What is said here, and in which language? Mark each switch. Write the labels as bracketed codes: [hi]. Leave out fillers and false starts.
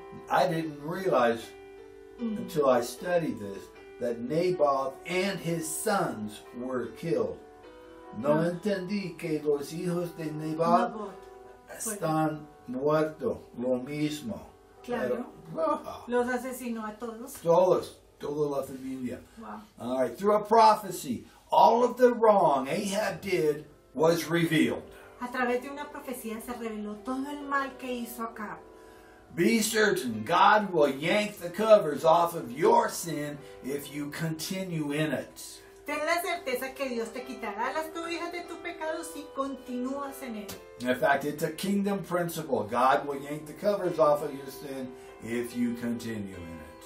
[en] I didn't realize until I studied this that Naboth and his sons were killed. [es] No entendí que los hijos de Naboth están muertos, lo mismo. Claro. Los asesinó a todos. Toda la familia. [en] Wow. All right. Through a prophecy, all of the wrong Ahab did was revealed. [es] A través de una profecía se reveló todo el mal que hizo Acab. [en] Be certain, God will yank the covers off of your sin if you continue in it. [es] Ten la certeza que Dios te quitará las cobijas de tu pecado si continúas en él. [en] In fact, it's a kingdom principle. God will yank the covers off of your sin if you continue in it.